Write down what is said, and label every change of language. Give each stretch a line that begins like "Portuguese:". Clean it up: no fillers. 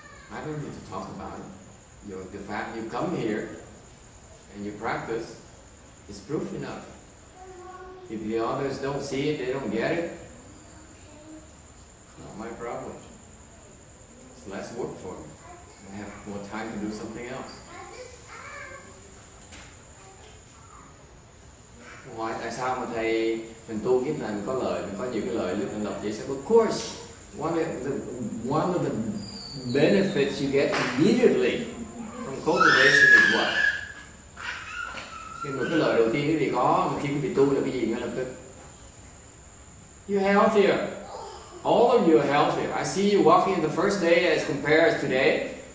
English: I don't need to talk about it. The fact you come here and you practice is proof enough. If the others don't see it, they don't get it, it's not my problem. It's less work for me. and have more time to do something else. Why?
Vietnamese: Tại sao mà thầy mình tu kiếp này mình có lợi, mình có nhiều cái lợi lúc mình đọc giấy sách?
English: Of course, one of the benefits you get immediately from cultivation is what?
Vietnamese: Khi mà cái lợi đầu tiên quý vị có, khi quý vị tu là cái gì ngay lập tức?
English: You're healthier. All of you are healthier. I see you walking the first day as compared to today.